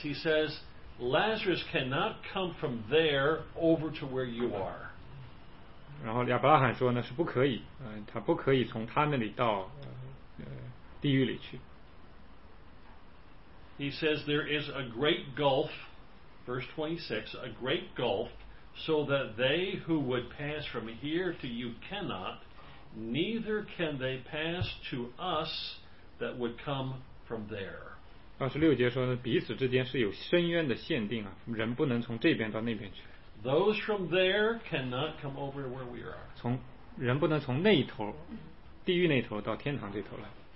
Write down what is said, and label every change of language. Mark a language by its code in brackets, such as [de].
[en] He says,Lazarus cannot come from there over to where you are. [zh] 然后亚伯拉罕说呢是不可以，他不可以从他那里到地狱里去。 [en] He says there is a great gulf, verse 26, a great gulf, so that they who would pass from here to you cannot, neither can they pass to us that would come from there. [zh] 二十六节说呢，彼此之间是有深渊的限定啊，人不能从这边到那边去。 [en] Those from there cannot come over where we are. [zh] 从人不能从那头，地狱那头到天堂这头来。